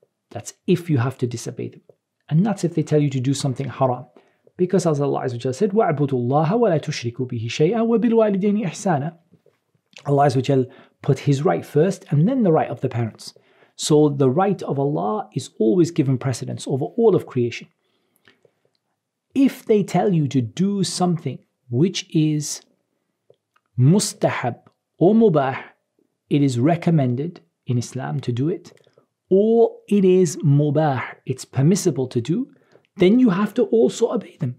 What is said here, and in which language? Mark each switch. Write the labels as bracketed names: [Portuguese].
[English] That's if you have to disobey them. And that's if they tell you to do something haram. Because as Allah Azza wa Jalla said, [Arabic] وَعْبُدُوا اللَّهَ وَلَا تُشْرِكُوا بِهِ شَيْئًا وَبِالْوَالِدَيْنِ إِحْسَانًا. [English] Allah Azza wa Jalla put His right first and then the right of the parents. So the right of Allah is always given precedence over all of creation. If they tell you to do something which is mustahab or mubah, it is recommended in Islam to do it, or it is mubah, it's permissible to do, then you have to also obey them.